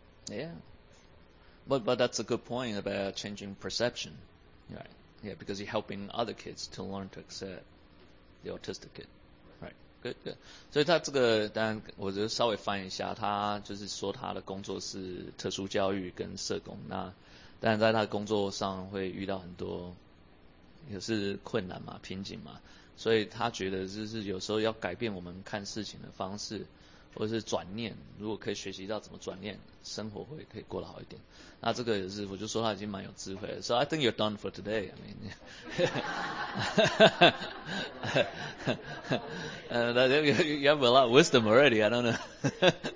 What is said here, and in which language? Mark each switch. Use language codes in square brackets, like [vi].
[en] Yeah, but that's a good point about changing perception, right? Yeah, because you're helping other kids to learn to accept the autistic kid, right? Good, good. [zh] 所以他这个当然，我就稍微翻译一下，他就是说他的工作是特殊教育跟社工。那当然在他的工作上会遇到很多也是困难嘛、瓶颈嘛，所以他觉得就是有时候要改变我们看事情的方式。或者是转念，如果可以学习到怎么转念，生活会可以过得好一点。那这个也是，我就说他已经蛮有智慧了。 [en] So I think you're done for today. I mean, you have a lot of wisdom already. I don't know.